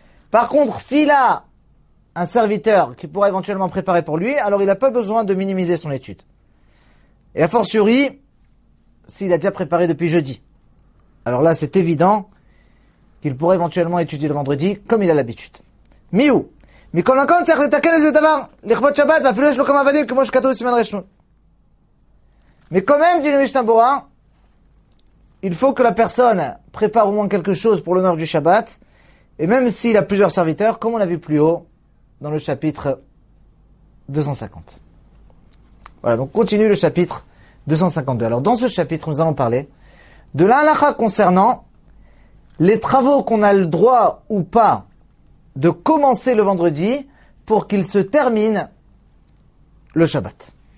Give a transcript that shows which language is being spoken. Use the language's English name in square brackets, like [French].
[French] Par contre, s'il a un serviteur qui pourra éventuellement préparer pour lui, alors il n'a pas besoin de minimiser son étude. Et a fortiori, s'il a déjà préparé depuis jeudi. Alors là, c'est évident qu'il pourra éventuellement étudier le vendredi comme il a l'habitude. Miou. [Hebrew] מכל מקום צריך לתקן איזה דבר לכבוד שבת ואפילו יש לו כמה עבדים כמו שכתוב סימן רשנון. מקומם דינו משנה ברורה, [French] il faut que la personne prépare au moins quelque chose pour l'honneur du Shabbat, et même s'il a plusieurs serviteurs, comme on l'a vu plus haut dans le chapitre 250. Voilà, donc continue le chapitre 252. Alors dans ce chapitre, nous allons parler de l'halakha concernant les travaux qu'on a le droit ou pas de commencer le vendredi pour qu'il se termine le Shabbat.